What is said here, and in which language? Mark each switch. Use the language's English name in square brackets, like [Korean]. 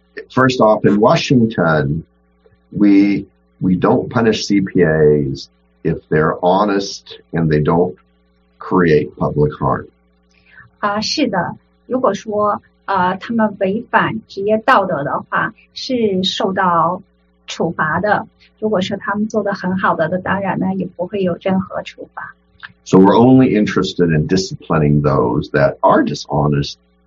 [English] First off, in Washington, we don't punish CPAs if they're honest and they don't create public harm. [Chinese] 是的，如果说他们违反职业道德的话，是受到处罚的。如果说他们做得很好的，当然呢也不会有任何处罚。 [English] So we're only interested in disciplining those that are dishonest.